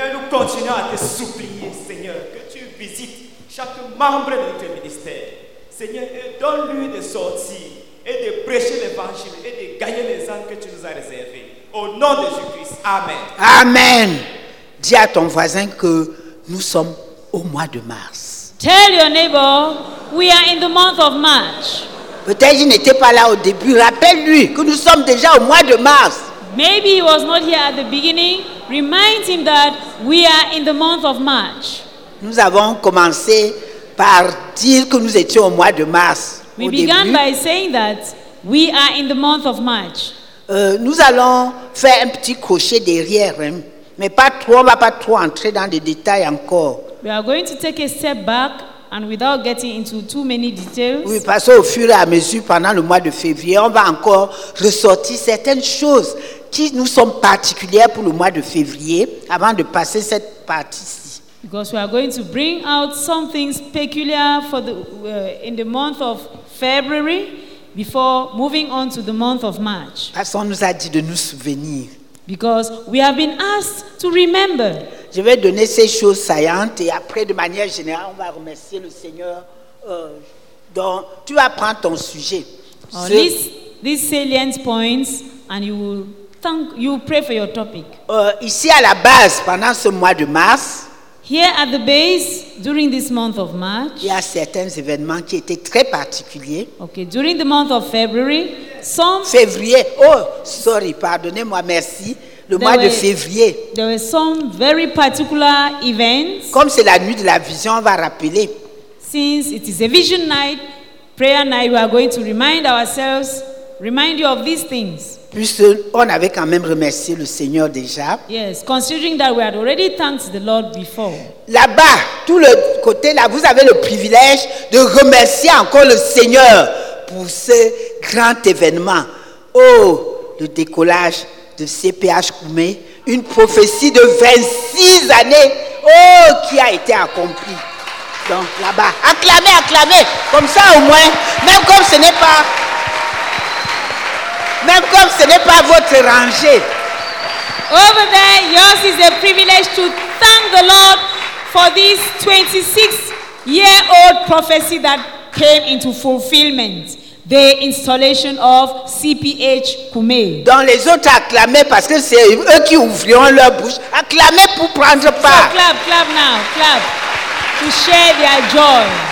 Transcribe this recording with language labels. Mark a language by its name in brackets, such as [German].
[French] Continuons à te supplier, Seigneur, que tu visites chaque membre de notre ministère. Seigneur, donne-lui de sortir et de prêcher l'évangile et de gagner les âmes que tu nous as réservées. Au nom de Jésus-Christ, amen. Amen. Dis à ton voisin que nous sommes au mois de mars. [English] Tell your neighbor, we are in the month of March. [French] Peut-être il n'était pas là au début. Rappelle-lui que nous sommes déjà au mois de mars. [English] Maybe he was not here at the beginning. Remind him that we are in the month of March. [French] Nous avons commencé par dire que nous étions au mois de mars. [English] We began by saying that we are in the month of March. [French] Nous allons faire un petit crochet derrière, hein, mais pas trop, on va pas trop entrer dans les détails encore. [English] We are going to take a step back and without getting into too many details. [French] Oui, parce qu'au fur et à mesure, pendant le mois de février, on va encore ressortir certaines choses qui nous sont particulières pour le mois de février avant de passer cette partie-ci. [English] Because we are going to bring out something peculiar for the in the month of February before moving on to the month of March. [French] Parce qu'on nous a dit de nous souvenir. [English] Because we have been asked to remember. [French] Je vais donner ces choses saillantes et après, de manière générale, on va remercier le Seigneur. Donc, tu vas prendre ton sujet. [English] These salient points and you will you pray for your topic. [French] Ici à la base, pendant ce mois de mars, [English] here at the base, during this month of March, [French] il y a certains événements qui étaient très particuliers. [English] Okay, during the month of February, some [French] février. [English] Oh, sorry, [French] pardonnez-moi, merci. Le mois de février. [English] There were some very particular events. [French] Comme c'est la nuit de la vision, on va rappeler. [English] Since it is a vision night, prayer night, we are going to remind ourselves, remind you of these things. [French] Puisque on avait quand même remercié le Seigneur déjà. [English] Yes, considering that we had already thanked the Lord before. [French] Là-bas, tout le côté là, vous avez le privilège de remercier encore le Seigneur pour ce grand événement. Oh, le décollage de CPH Koumé, une prophétie de 26 années, oh, qui a été accomplie. Donc là-bas, acclamez, acclamez, comme ça au moins, même comme ce n'est pas... Même comme ce n'est pas votre rangée. [English] Over there, yours is a privilege to thank the Lord for this 26-year-old prophecy that came into fulfillment. The installation of CPH Koumé. [French] Dans les autres, acclamez parce que c'est eux qui ouvriront leur bouche. Acclamez pour prendre part. [English] So clap, clap now, clap. To share their joy.